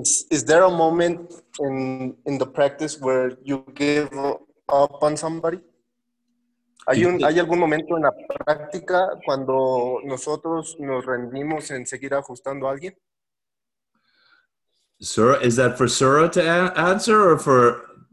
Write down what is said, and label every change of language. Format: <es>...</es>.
<en>Is there a moment in the practice where you give up on somebody?</en> <es>¿Hay algún momento en la práctica cuando nosotros nos rendimos en seguir ajustando a alguien?</es> <en>Sir, is that for Sarah to answer or for...</en>